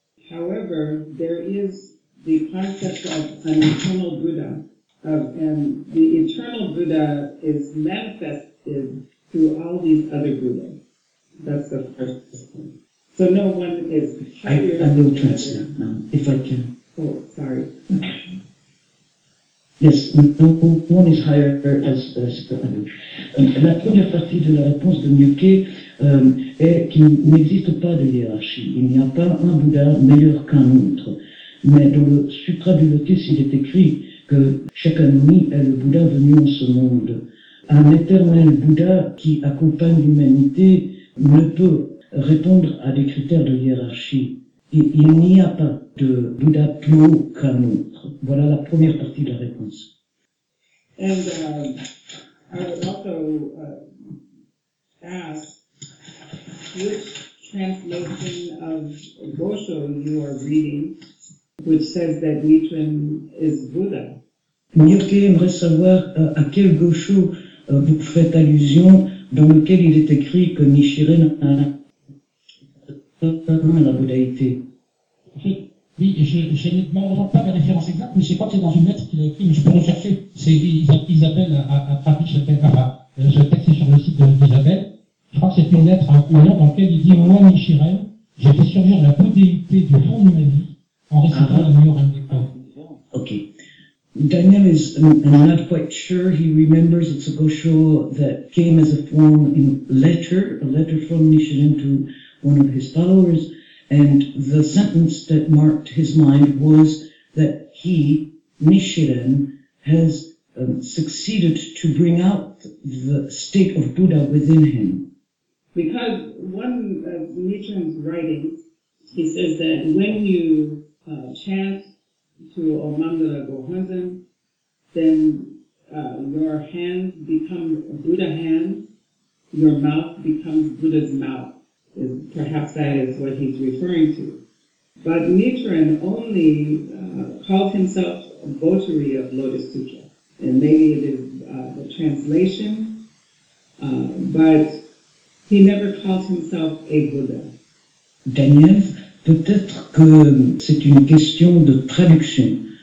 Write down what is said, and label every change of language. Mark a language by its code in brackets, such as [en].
[en] However, there is the concept of an eternal Buddha, and the eternal Buddha is manifested through all these other Buddhas. That's the first thing. So no one is higher than the other. I will translate now, if I can. Oh, sorry. Yes, no one is higher as the other. [fr] La première partie de la réponse de Mukhet est qu'il n'existe pas de hiérarchie. Il n'y a pas un Bouddha meilleur qu'un autre. Mais dans le Sutra du Lotus, il est écrit que Shakyamuni est le Bouddha venu en ce monde. Un éternel Bouddha qui accompagne l'humanité ne peut répondre à des critères de hiérarchie. Il n'y a pas de Bouddha plus haut qu'un autre. Voilà la première partie de la réponse. [en] And I would also ask which translation of Gosho you are reading, which says that Nichiren is Buddha. [fr] Nyoke aimerait savoir à quel Gosho vous faites allusion, dans lequel il est écrit que Nichiren a la Bouddhaïté. Oui, je ne demande pas la référence exacte, mais je crois que c'est dans une lettre qu'il a écrit, mais je peux rechercher. C'est Isabelle a traduit ce texte. Enfin, ce texte est sur le site d'Isabelle. Je crois que c'est une lettre dans laquelle il dit, moi, Nichiren, j'ai fait surgir la bouddhéité du fond de ma vie en récitant la meilleure anecdote. [en] Ok. Daniel is not quite sure. He remembers it's a Gosho that came as a form in a letter from Nichiren to one of his followers. And the sentence that marked his mind was that he, Nichiren, has succeeded to bring out the state of Buddha within him. Because one of Nichiren's writings, he says that when you chant to Omangala Gohonzon, then your hands become Buddha hands, your mouth becomes Buddha's mouth. Perhaps that is what he's referring to. But Nichiren only called himself a votary of Lotus Sutra. And maybe it is a translation, but he never calls himself a Buddha. [fr] Daniel, peut-être que c'est une question de traduction.